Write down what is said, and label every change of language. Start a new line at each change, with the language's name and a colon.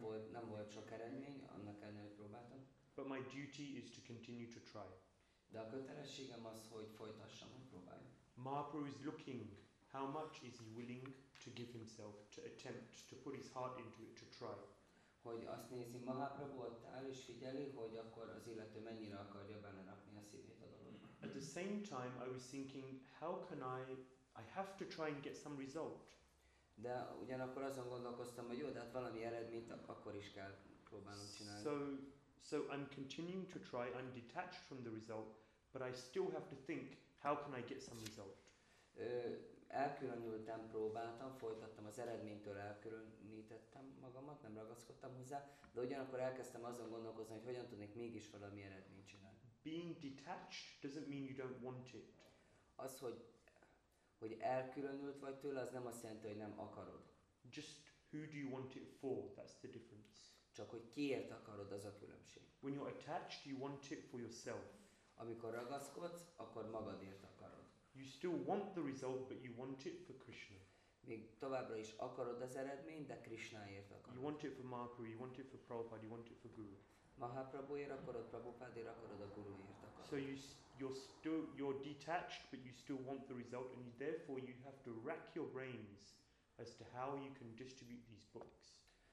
Hungarian: Nem volt sok eredmény, annak ellenére, hogy próbáltam.
English: But my duty is to continue to try.
Hungarian: De a kötelességem az, hogy folytassam, hogy próbáljam.
English: Mahaprabhu is looking, how much is he willing to give himself, to attempt, to put his heart into it, to try.
Hungarian: Hogy azt nézi Mahaprabhu ott áll és figyeli, hogy akkor az illető mennyire akarja belerakni a szívét a dologba.
English: At the same time I was thinking, how can I have to try and get some result.
Hungarian: De ugyanakkor azon gondolkoztam, hogy jó, de hát valami eredményt akkor is kell próbálnom csinálni.
English: So I'm continuing to try, I'm detached from the result, but I still have to think, how can I get some result.
Hungarian: Elkülönültem, próbáltam, folytattam az eredménytől, elkülönítettem magamat, nem ragaszkodtam hozzá, de ugyanakkor elkezdtem azon gondolkozni, hogy hogyan tudnék mégis valami eredményt csinálni.
English: Being detached doesn't mean you don't want it.
Hungarian: Az, hogy elkülönült vagy tőle, az nem azt jelenti, hogy nem akarod.
English: Just who do you want it for, that's the difference.
Hungarian: Csak hogy kiért akarod, az a különbség.
English: When you're attached, you want it for yourself.
Hungarian: Amikor ragaszkodsz, akkor magadért akarod.
English: You still want the result, but you want it for Krishna.
Hungarian: továbbra is akarod az eredményt, de Krishnáért akarod.
English: You want it for Mahaprabhu, you want it for Prabhupada, you want it for Guru.
Hungarian: Mahaprabhuért akarod, Prabhupádért akarod, a Guruért akarod.
English: So you're detached, but you still want the result, and therefore you have to rack your brains as to how you can distribute these books.